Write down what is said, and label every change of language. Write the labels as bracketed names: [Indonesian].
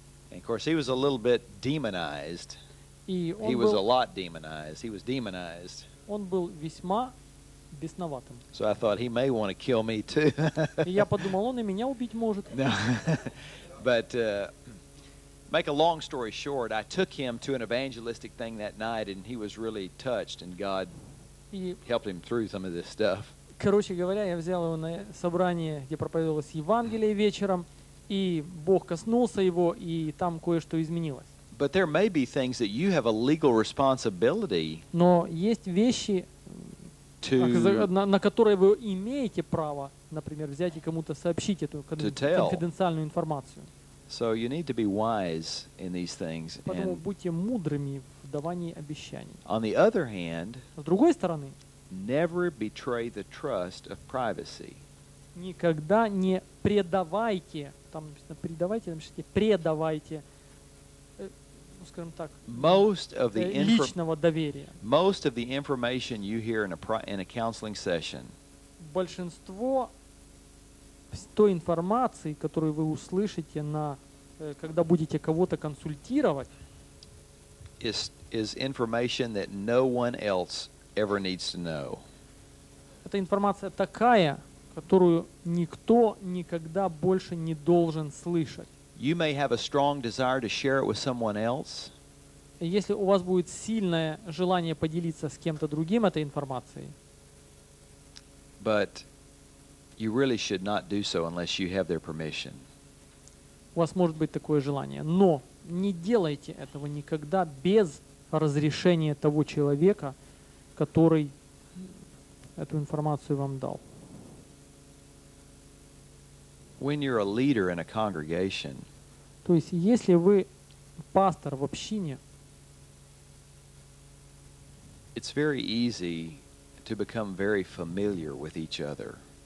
[English] And of course, he was a little bit demonized. He was a lot demonized. He was demonized. [Russian] Он был весьма бесноватым. [English] So I thought he may want to kill me too. [Russian] Я подумал, он и меня убить может. [English] But make a long story short, I took him to an evangelistic thing that night, and he was really touched, and God helped him through some of this stuff. [Russian] Короче говоря, я взял его на собрание, где проповедовалось Евангелие вечером, и Бог коснулся его, и там кое-что изменилось. [English] But there may be things that you have a legal responsibility. [Russian] Но есть вещи, на которые вы имеете право, например, взять и кому-то сообщить эту конфиденциальную информацию. [English] So you need to be wise in these things. [Russian] Поэтому будьте мудрыми в давании обещаний. [English] On the other hand, [Russian] с другой стороны, [English] never betray the trust of privacy. [Russian] Никогда не предавайте, там написано предавайте, там пишите предавайте, ну, скажем так, личного доверия. [English] Most of the information you hear in a counseling session. [Russian] Большинство той информации, которую вы услышите на, когда будете кого-то консультировать, [English] is information that no one else ever needs to know. [Russian] Это информация такая, которую никто никогда больше не должен слышать. [English] You may have a strong desire to share it with someone else. [Russian] Если у вас будет сильное желание поделиться с кем-то другим этой информацией, [English] but you really should not do so unless you have their permission. [Russian] У вас может быть такое желание, но не делайте этого никогда без разрешения того человека, который эту информацию вам дал. [English] When you're a leader in a congregation, [Russian] то есть если вы пастор в общине, [English] it's very easy to become very familiar with each other.